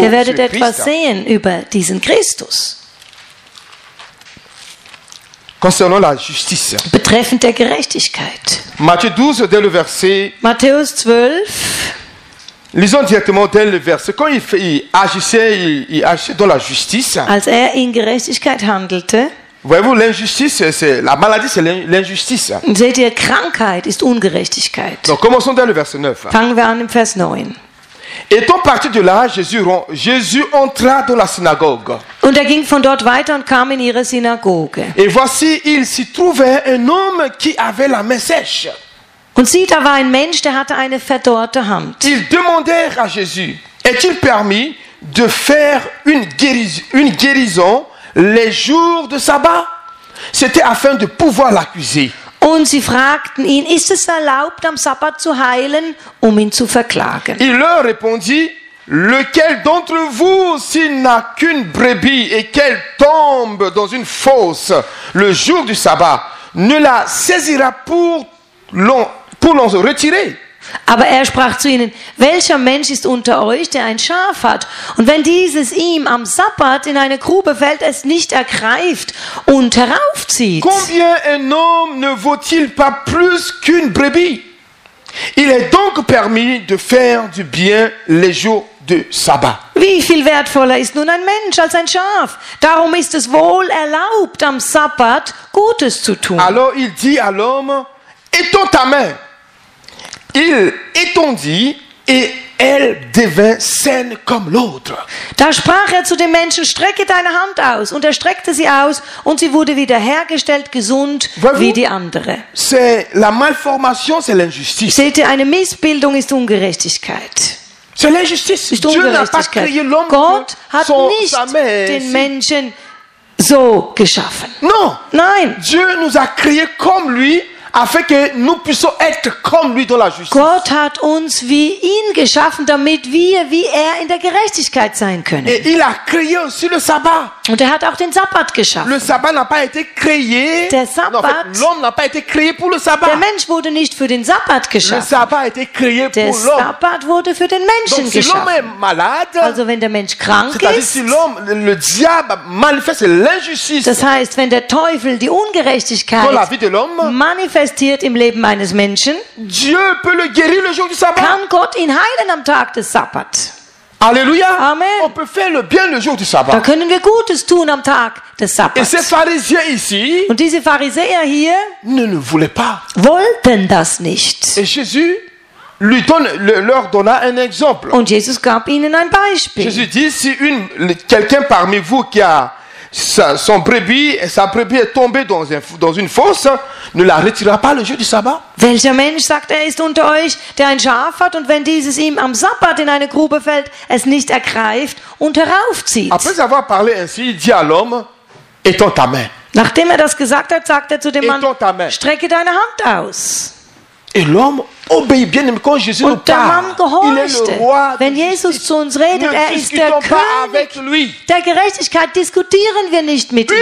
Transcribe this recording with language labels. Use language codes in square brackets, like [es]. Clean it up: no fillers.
[de] ihr werdet etwas Christ sehen über diesen Christus. [fr] Concernant la justice. [de] Betreffend der Gerechtigkeit. [fr] Matthieu 12 dès le verset. [de] Matthäus 12. [fr] Lisons directement dès le verset. Quand il agissait dans la justice. [de] Als er in Gerechtigkeit handelte. [fr] Voyez-vous, l'injustice, c'est la maladie, c'est l'injustice. [de] Seht ihr, Krankheit ist Ungerechtigkeit. [fr] Donc, commençons dans le verset 9. [de] Fangen wir an im Vers 9. [fr] Étant parti de là, Jésus entra dans la synagogue. [de] Und er ging von dort weiter und kam in ihre Synagoge. [fr] Et voici, il s'y trouvait un homme qui avait la main sèche. [de] Und sieh, da war ein Mensch, der hatte eine verdorrte Hand. [fr] Ils demandèrent à Jésus, est-il permis de faire une guérison les jours de sabbat, c'était afin de pouvoir l'accuser. [de] Und sie fragten ihn, ist es erlaubt, am Sabbat zu heilen, um ihn zu verklagen? [fr] Il leur répondit, lequel d'entre vous, s'il n'a qu'une brebis et qu'elle tombe dans une fosse le jour du sabbat, ne la saisira pour l'en retirer? [de] Aber er sprach zu ihnen, welcher Mensch ist unter euch, der ein Schaf hat? Und wenn dieses ihm am Sabbat in eine Grube fällt, es nicht ergreift und heraufzieht? [fr] Combien un homme ne vaut-il pas plus qu'une brebis? Il est donc permis de faire du bien les jours de sabbat. [de] Wie viel wertvoller ist nun ein Mensch als ein Schaf? Darum ist es wohl erlaubt, am Sabbat Gutes zu tun. [fr] Alors il dit à l'homme, étends ta main. Il étendit et elle devint saine comme l'autre. [de] Da sprach er zu dem Menschen, strecke deine Hand aus. Und er streckte sie aus und sie wurde wieder hergestellt, gesund wie die andere. [fr] C'est la malformation, c'est l'injustice. [de] Seht ihr, eine Missbildung ist Ungerechtigkeit. [fr] C'est l'injustice. [de] Ist Ungerechtigkeit. [fr] Dieu n'a pas créé l'homme [de] Gott hat nicht den Menschen so geschaffen. [fr] Non. [de] Nein. [fr] Dieu nous a créé comme lui. Afin que nous puissions être comme lui dans la justice. [de] Gott hat uns wie ihn geschaffen, damit wir wie er in der Gerechtigkeit sein können. [fr] Et il a créé aussi le sabbat. [de] Und er hat auch den Sabbat geschaffen. [fr] Le sabbat n'a pas été créé. [de] Der Sabbat. [fr] Non, en fait, l'homme n'a pas été créé pour le sabbat. [de] Der Mensch wurde nicht für den Sabbat geschaffen. [fr] Le sabbat a été créé [de] der [fr] pour l'homme. [de] Sabbat wurde für den Menschen [fr] donc, si [de] geschaffen. [fr] L'homme est malade, [de] also wenn der Mensch krank ist. [fr] Si l'homme, le diable manifeste l'injustice. [de] Das heißt, wenn der Teufel die Ungerechtigkeit [fr] dans la vie de l'homme [de] manifeste im Leben eines Menschen, [fr] Dieu peut le guérir le jour du sabbat. [de] Kann Gott ihn heilen am Tag des Sabbat. Alléluia. Amen. [fr] On peut faire le bien le jour du sabbat. [de] Da können wir Gutes tun am Tag des Sabbats. [fr] Et ces pharisiens ici, [de] und diese Pharisäer hier [fr] ne voulaient pas. [de] Wollten das nicht. [fr] Et Jésus lui donne, leur donna un exemple. [de] Und Jesus gab ihnen ein Beispiel. [fr] Jésus dit, si quelqu'un parmi vous qui a son brebis, sa brebis est tombée dans, dans une fosse, ne la retirera pas le jour du sabbat. [de] Welcher Mensch, sagt er, ist unter euch, der ein Schaf hat und wenn dieses ihm am Sabbat in eine Grube fällt, es nicht ergreift und heraufzieht? [fr] Après avoir parlé ainsi, il dit à l'homme, étends ta main. [de] Nachdem er das gesagt hat, sagt er zu dem Mann, strecke deine Hand aus. [fr] Et l'homme obéit bien quand Jésus nous parle. Il est le roi. [de] Wenn Jesus zu uns redet, er ist der König. Der Gerechtigkeit diskutieren wir nicht mit ihm.